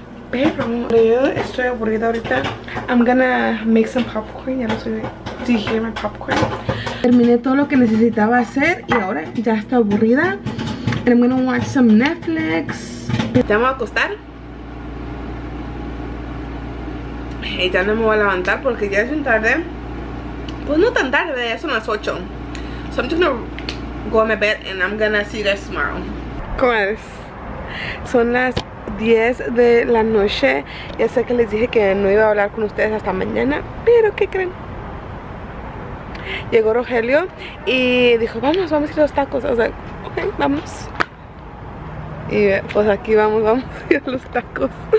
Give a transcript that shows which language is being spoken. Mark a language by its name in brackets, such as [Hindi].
[English] Pero yo estoy aburrida ahorita. I'm gonna make some popcorn. Ya lo sé. Do you hear my popcorn? [Spanish] Terminé todo lo que necesitaba hacer y ahora ya estoy aburrida. [English] And I'm gonna watch some Netflix. ¿Te vamos a acostar? [Spanish] Y ya no me voy a levantar porque ya es un tarde. Pues no tan tarde, ya son las 8. [English] So I'm just gonna go to my bed and I'm gonna see you guys tomorrow. [Spanish] ¿Cómo es? Son las 10 de la noche. Ya sé que les dije que no iba a hablar con ustedes hasta mañana, pero ¿qué creen? Llegó Rogelio y dijo, vamos, vamos a ir a los tacos. O sea, ok, vamos. Y pues aquí vamos, vamos a ir a los tacos.